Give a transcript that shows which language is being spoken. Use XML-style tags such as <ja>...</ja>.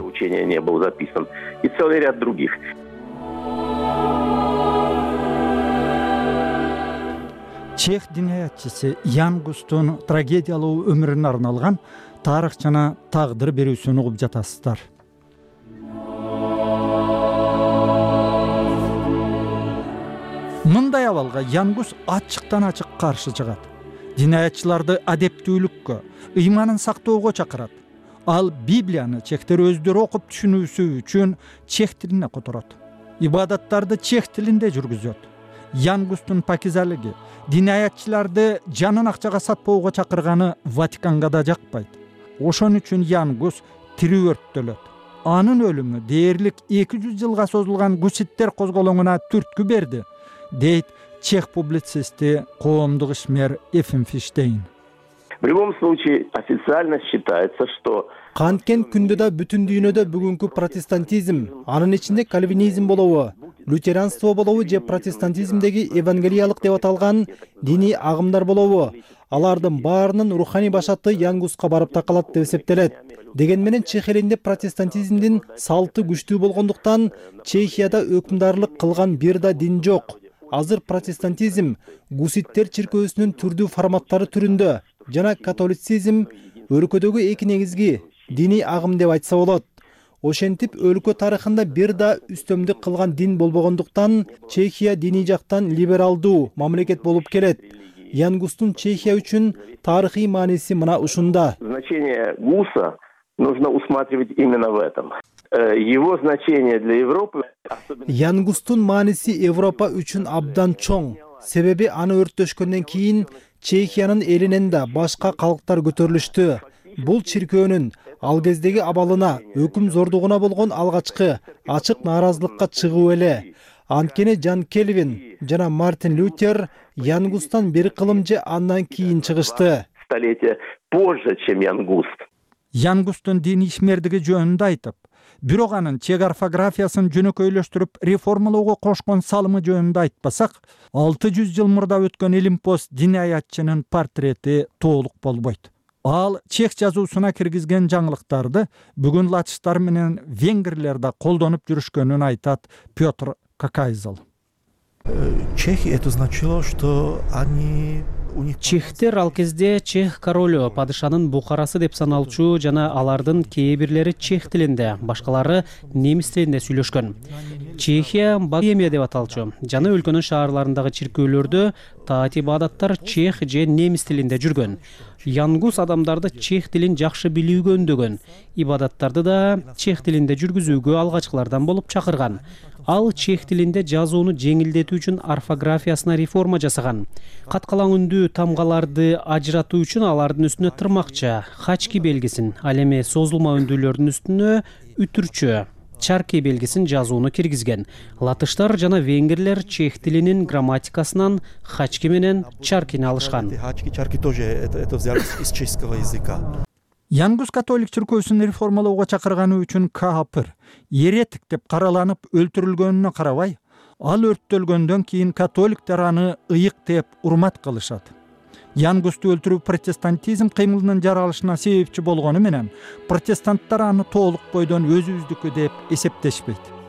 <ru>Учение не было записано и целый ряд других.</ru> <ky>Чех динаятчысы Янгустун трагедиялуу өмүрүнө арналган тарых жана тагдыр берүүсүн угуп жатасыздар. Мындай абалга Янгус ачыктан ачык каршы чыгат. Динаятчыларды адептүүлүккө, ыйманын сактоого чакырат. Ал Библияны чехтер өздөрү окуп түшүнүүсү үчүн чех тилине которот. Ибадаттарды чех тилинде жүргүзөт. Янгустун пакизалиги динаятчыларды жанын акчага сатпоого чакырганы Ватиканга да жакпайт. Ошон үчүн Янгус тирүү өрттөлөт. Анын өлүмү дээрлик 200 жылга созулган гуситтер козголоңуна түрткү берди, дейт чех публицисти коомдук ишмер Ефим Фиштейн.</ky> <ru>В любом случае официально считается, что</ru> <ky>канткен күндө да бүтүн дүйнөдө бүгүнкү протестантизм, анын ичинде кальвинизм болобу, лютеранство болобу же протестантизмдеги евангелиялык деп аталган диний агымдар болобу, алардын баарынын руханий башаты Янгуска барып такалат деп эсептелет. Деген менен чех элинде протестантизмдин салты күчтүү болгондуктан Чехияда өкүмдарлык кылган бир да дин жок. Азыр протестантизм гуситтер чиркөөсүнүн түрдүү форматтары түрүндө жана католицизм өлкөдөгү эки негизги диний агым деп айтса болот. Ошентип өлкө тарыхында бир да үстөмдүк кылган дин болбогондуктан Чехия диний жактан либералдуу мамлекет болуп келет. Ян Густун Чехия үчүн тарыхый мааниси мына ушунда.</ky> <ru>Значение Гуса нужно усматривать именно в этом. Его значение для Европы.</ru> <ky>Ян Густун мааниси Европа үчүн абдан чоң. Себеби аны өрттөшкөндөн кийин Чехиянын элинен да башка калктар көтөрүлүштү. Бул чиркөөнүн ал кездеги абалына, өкүм зордугуна болгон алгачкы ачык нааразылыкка чыгуу эле. Анткени Жан Кельвин жана Мартин Лютер Ян Густан бир кылымжы андан кийин чыгышты.</ky> <ru>Столетие позже, чем Ян Густ.</ru> <ky>Ян Густун диний ишмердиги жөнүндө айтып, бирок анын чек орфографиясын жөнөкөйлөштүрүп реформалоого кошкон салымы жөнүндө айтпасак, 600 жыл мурда өткөн Олимпос диний аятчынын портрети толук болбойт. Ал чех жазуусуна киргизген жаңылыктарды бүгүн латыштар менен венгрлер да колдонуп жүрүшкөнүн айтат Пётр Какайзыл.</ky> <ru>Чехи это значило, что они</ru> <ky>Чехтер ал кезде чех королю, падышанын бухарасы деп саналчу жана алардын кээ бирлери чех тилинде, башкалары немис тилинде сүйлөшкөн. Чехия Богемия деп аталчу жана өлкөнүн шаарларындагы чиркөөлөрдө таатибадаттар чех же немис тилинде жүргөн. Янгус адамдарды чех тилин жакшы билүүгө үндөгөн, ибадаттарды да чех тилинде жүргүзүүгө алгачкылардан болуп чакырган. Ал чех тилинде жазууну жеңилдетүү үчүн орфографиясына реформа жасаган. Каткалаң үндүү тамгаларды ажыратуу үчүн алардын үстүнө тырмакча, хачки белгисин, ал эми созулма үндүүлөрдүн үстүнө үтүрчү, чарки белгисин жазууну киргизген. Латыштар жана венгрлер чех тилинин грамматикасынан хачки менен чаркини алышкан.</ky> <ru>Хачки, чарки тоже это взялось из чешского языка.</ru> <ky>Янгус католик чиркөөсүн реформалоого чакырганы үчүн каапыр, еретик деп караланып өлтүрүлгөнүнө карабай, ал өрттөлгөндөн кийин католиктер аны ыйык деп урмат кылышат. Янгусту өлтүрүү протестантизм кыймылынын жаралышына себепчи болгону менен протестанттар аны толук бойдон өзүбүздүкү деп эсептешпейт.</ky>